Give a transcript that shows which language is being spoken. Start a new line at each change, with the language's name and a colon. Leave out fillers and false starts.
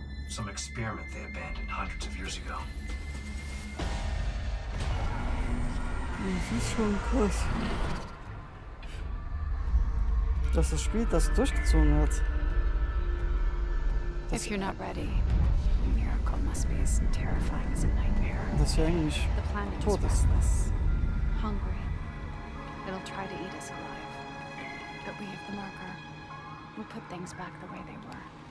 English: some experiment they abandoned hundreds of years ago.
German: Das ist schon krass, dass das Spiel das durchgezogen hat.
English: If you're not ready, the miracle must be as terrifying as a nightmare.
German: Das ist ja eigentlich
English: the planet is restless, hungry. It'll try to eat us alive. But we have the marker. We put things back the way they were.